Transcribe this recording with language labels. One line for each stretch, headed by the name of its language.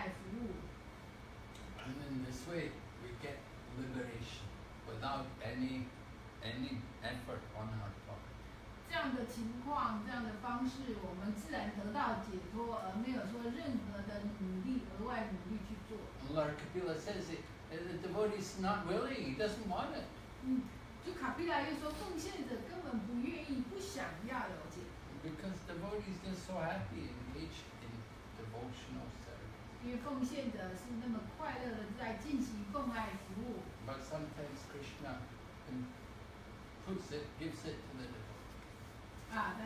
English: And in this way, we get liberation without any effort on our part.
Chinese: 这样的情况，这样的方式，我们自然得到解脱，而没有说任何的努力，额外努力去做。
English: Lord Kapila says it, the devotee is not willing, he doesn't want it.
Chinese: 就卡比拉又说，奉献者根本不愿意，不想要了解。
English: Because the devotee is just so happy engaged in devotional service.
Chinese: 因为奉献者是那么快乐的在进行奉爱服务。
English: But sometimes Krishna gives it to the devotee.